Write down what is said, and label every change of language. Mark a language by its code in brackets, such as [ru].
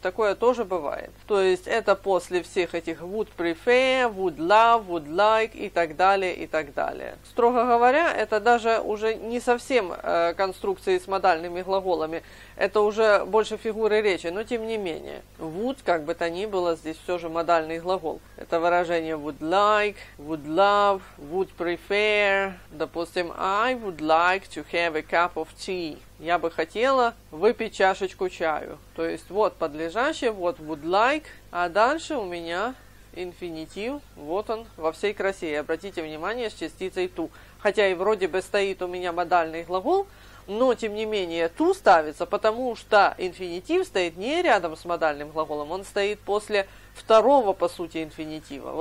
[ru] Такое тоже бывает. То есть это после всех этих would prefer, would love, would like и так далее, и так далее. Строго говоря, это даже уже не совсем конструкции с модальными глаголами. Это уже больше фигуры речи, но тем не менее. Would, как бы то ни было, здесь все же модальный глагол. Это выражение [en] would like, would love, would prefer. [ru] Допустим, [en] I would like to have a cup of tea. [ru] Я бы хотела выпить чашечку чаю. То есть вот подлежащее, вот would like, а дальше у меня инфинитив, вот он, во всей красе. И обратите внимание, с частицей to. Хотя и вроде бы стоит у меня модальный глагол, но тем не менее to ставится, потому что инфинитив стоит не рядом с модальным глаголом, он стоит после второго, по сути, инфинитива.